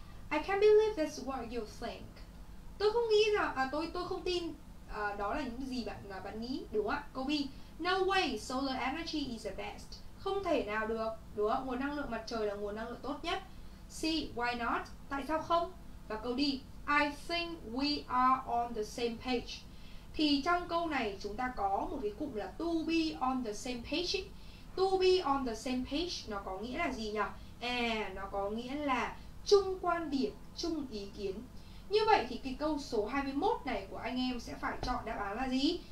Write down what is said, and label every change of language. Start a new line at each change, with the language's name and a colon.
English: I can't believe that's what you think.
Vietnamese: Tôi không nghĩ là tôi không tin đó là những gì bạn nghĩ, đúng không ạ? Câu B.
English: No way, solar energy is the best.
Vietnamese: Không thể nào được, đúng không? Nguồn năng lượng mặt trời là nguồn năng lượng tốt nhất. C.
English: Why not?
Vietnamese: Tại sao không? Và câu D.
English: I think we are on the same page.
Vietnamese: Thì trong câu này chúng ta có một cái cụm là
English: to be on the same page. To be on the same page
Vietnamese: nó có nghĩa là gì nhỉ? Nó có nghĩa là chung quan điểm, chung ý kiến. Như vậy thì cái câu số 21 này của anh em sẽ phải chọn đáp án là gì?